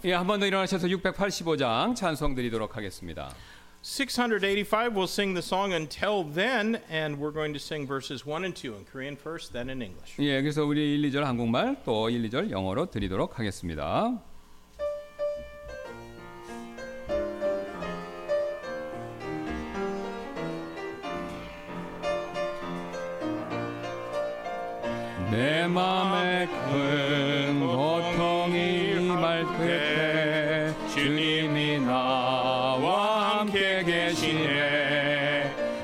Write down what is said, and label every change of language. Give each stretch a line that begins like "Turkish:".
Korean: 예, 한 번 더 일어나셔서 685장 찬송 드리도록 하겠습니다.
English: 685, we'll sing the song until then, and we're going to sing verses 1 and 2 in Korean first, then in English.
Korean: 예, 그래서 우리 1, 2절 한국말, 또 1, 2절 영어로 드리도록 하겠습니다. 내 맘에 큰 고통이 임할 때 주님이 나와 함께 계시네.